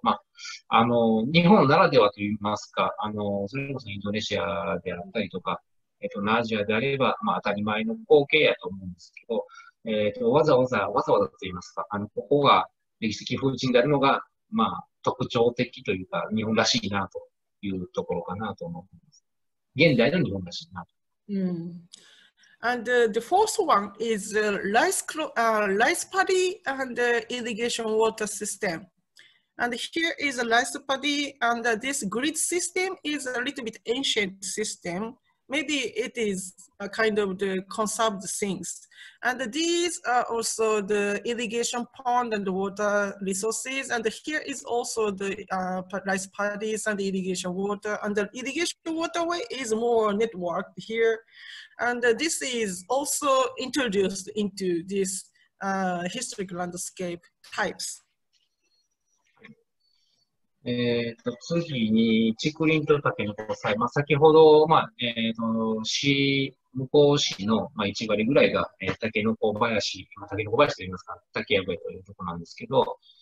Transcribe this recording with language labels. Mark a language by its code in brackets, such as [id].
[ja] まあ、日本ならではといいますか、それこそインドネシアであったりとか、アジアであれば、まあ、当たり前の光景やと思うんですけど、わざわざと言いますか、ここが歴史的風神であるのが、まあ、特徴的というか、日本らしいなというところかなと思います。現代の日本らしいなと。 [en] And the fourth one is rice paddy and irrigation water system. And here is a rice paddy, and this grid system is a little bit ancient system. Maybe it is a kind of the conserved things. And these are also the irrigation pond and the water resources. And here is also the rice paddies and the irrigation water. And the irrigation waterway is more networked here. And this is also introduced into this historic landscape types. [ja] 次に、竹林と竹の交際。まあ、先ほど、まあ、市、向こう市の、まあ、1割ぐらいが、竹の子林、竹の子林といいますか、竹やぶというところなんですけど、